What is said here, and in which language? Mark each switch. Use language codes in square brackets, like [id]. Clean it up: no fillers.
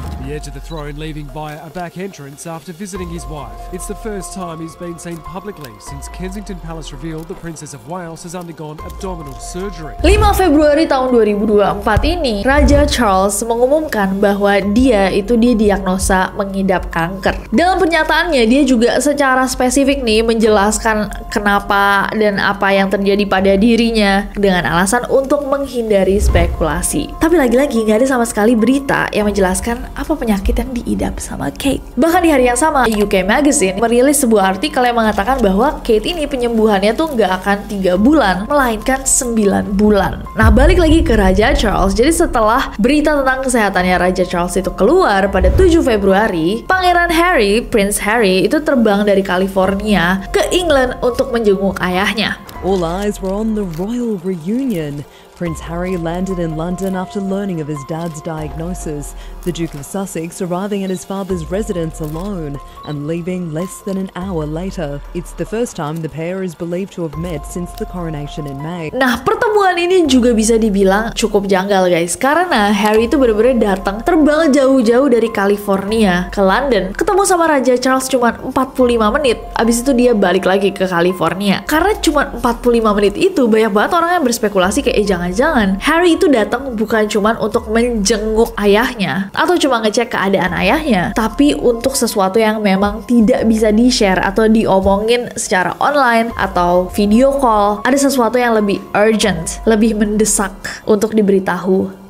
[en] The heir to the throne leaving via a back entrance after visiting his wife. It's the first time he's been seen publicly since Kensington Palace revealed the Princess of Wales has undergone abdominal surgery. [id] 5 Februari tahun 2024 ini, Raja Charles mengumumkan bahwa dia itu didiagnosa mengidap kanker. Dalam pernyataannya, dia juga secara spesifik nih menjelaskan kenapa dan apa yang terjadi pada dirinya dengan alasan untuk menghindari spekulasi. Tapi lagi-lagi, gak ada sama sekali berita yang menjelaskan apa penyakit yang diidap sama Kate. Bahkan di hari yang sama, UK Magazine merilis sebuah artikel yang mengatakan bahwa Kate ini penyembuhannya tuh nggak akan 3 bulan, melainkan 9 bulan. Nah, balik lagi ke Raja Charles, jadi setelah berita tentang kesehatannya Raja Charles itu keluar pada 7 Februari, Pangeran Harry, Prince Harry, itu terbang dari California ke England untuk menjenguk ayahnya. [en] All eyes were on the royal reunion. Prince Harry landed in London after learning of his dad's diagnosis. The Duke of Sussex arriving at his father's residence alone and leaving less than an hour later. It's the first time the pair is believed to have met since the coronation in May. [id] Nah, pertemuan ini juga bisa dibilang cukup janggal, guys. Karena Harry itu benar-benar datang terbang jauh-jauh dari California ke London. Ketemu sama Raja Charles cuma 45 menit. Abis itu dia balik lagi ke California. Karena cuma 45 menit itu, banyak banget orang yang berspekulasi kayak, jangan-jangan Harry itu datang bukan cuman untuk menjenguk ayahnya atau cuma ngecek keadaan ayahnya, tapi untuk sesuatu yang memang tidak bisa di-share atau diomongin secara online atau video call. Ada sesuatu yang lebih urgent, lebih mendesak untuk diberitahu